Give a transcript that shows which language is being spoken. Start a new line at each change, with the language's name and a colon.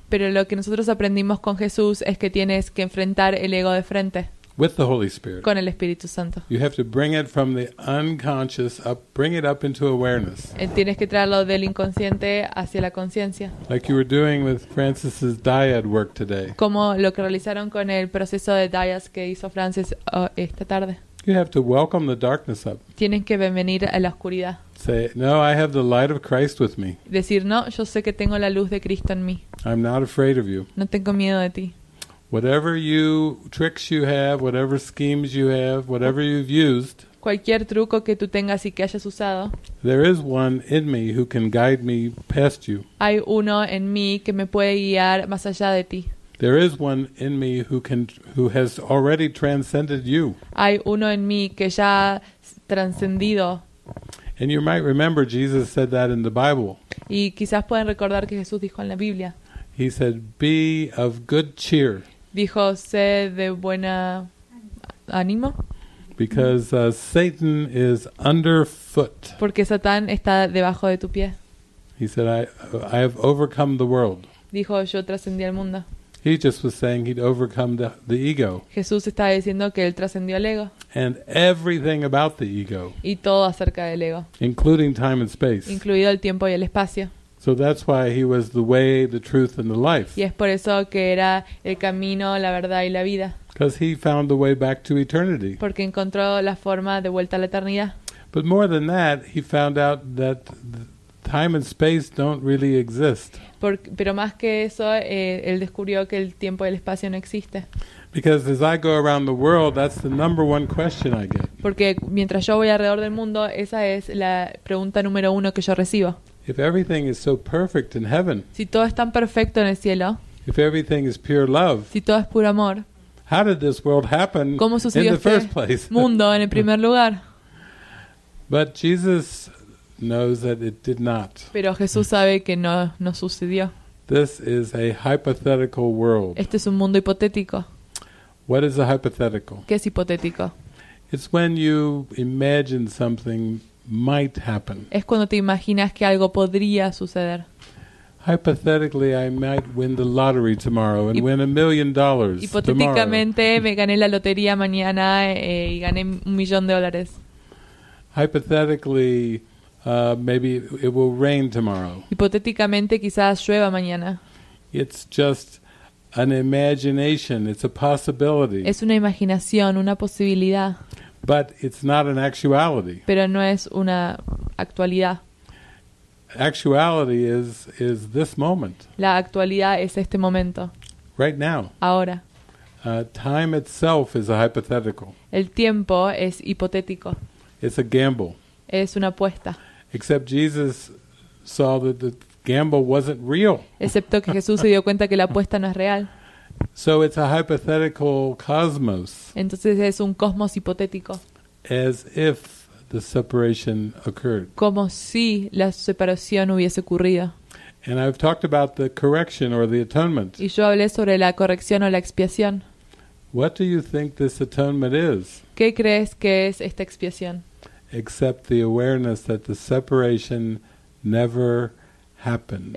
Spanish: Pero lo que nosotros aprendimos con Jesús es que tienes que enfrentar el ego de frente.
English: With the Holy Spirit.
Spanish: Con el Espíritu Santo.
English: You have to bring it from the unconscious up, bring it up into awareness.
Spanish: Tienes que traerlo del inconsciente hacia la conciencia.
English: Like you were doing with Francis's dyad work today.
Spanish: Como lo que realizaron con el proceso de dyads que hizo Francis esta tarde.
English: You have to welcome the darkness up.
Spanish: Tienes que bienvenir a la oscuridad.
English: Say, no, I have the light of Christ with me.
Spanish: Decir, no, yo sé que tengo la luz de Cristo en mí.
English: I'm not afraid of you.
Spanish: No tengo miedo de ti.
English: Whatever you tricks you have, whatever schemes you have, whatever you've used.
Spanish: Cualquier truco que tú tengas y que hayas usado.
English: There is one in me who can guide me past you.
Spanish: Hay uno en mí que me puede guiar más allá de ti.
English: There is one in me who has already transcended you.
Spanish: Hay uno en mí que ya ha transcendido.
English: And you might remember Jesus said that in the Bible.
Spanish: Y quizás pueden recordar que Jesús dijo en la Biblia.
English: He said, "Be of good cheer."
Spanish: Dijo, "Sé de buena ánimo."
English: Because Satan is underfoot.
Spanish: Porque Satán está debajo de tu pie.
English: He said, "I have overcome the world."
Spanish: Dijo, "Yo trascendí el mundo."
English: He just was saying he'd overcome the ego.
Spanish: Jesús estaba diciendo que él trascendió el ego.
English: And everything about the ego.
Spanish: Y todo acerca del ego.
English: Including time and space.
Spanish: Incluido el tiempo y el espacio.
English: So that's why he was the way, the truth, and the life.
Spanish: Y es por eso que era el camino, la verdad y la vida.
English: Because he found the way back to eternity.
Spanish: Porque encontró la forma de vuelta a la eternidad.
English: But more than that, he found out that time and space don't really exist.
Spanish: Pero más que eso, él descubrió que el tiempo y el espacio no existe.
English: Because as I go around the world, that's the number one question I get.
Spanish: Porque mientras yo voy alrededor del mundo, esa es la pregunta número uno que yo recibo.
English: If everything is so perfect in heaven.
Spanish: Si todo es tan perfecto en el cielo.
English: If everything is pure love.
Spanish: Si todo es puro amor.
English: How did this world happen in the first place?
Spanish: Mundo en el primer lugar.
English: But Jesus knows that it did not.
Spanish: Pero Jesús sabe que no sucedió.
English: This is a hypothetical world.
Spanish: Este es un mundo hipotético.
English: What is a hypothetical?
Spanish: ¿Qué es hipotético?
English: It's when you imagine something might happen.
Spanish: Es cuando te imaginas que algo podría suceder.
English: Hypothetically, I might win the lottery tomorrow and win $1,000,000 tomorrow.
Spanish: Hipotéticamente, me gané la lotería mañana y gané $1,000,000.
English: Hypothetically, maybe it will rain tomorrow.
Spanish: Hipotéticamente, quizás llueva mañana.
English: It's just an imagination. It's a possibility.
Spanish: Es una imaginación, una posibilidad.
English: But it's not an actuality.
Spanish: Pero no es una actualidad.
English: Actuality is this moment.
Spanish: La actualidad es este momento.
English: Right now.
Spanish: Ahora.
English: Time itself is a hypothetical.
Spanish: El tiempo es hipotético.
English: It's a gamble.
Spanish: Es una apuesta.
English: Except Jesus saw that the gamble wasn't real.
Spanish: Excepto que Jesús se dio cuenta que la apuesta no es real.
English: So it's a hypothetical cosmos.
Spanish: Entonces es un cosmos hipotético.
English: As if the separation occurred.
Spanish: Como si la separación hubiese ocurrido.
English: And I've talked about the correction or the atonement.
Spanish: Y yo hablé sobre la corrección o la expiación.
English: What do you think this atonement is?
Spanish: ¿Qué crees que es esta expiación?
English: Except the awareness that the separation never happened.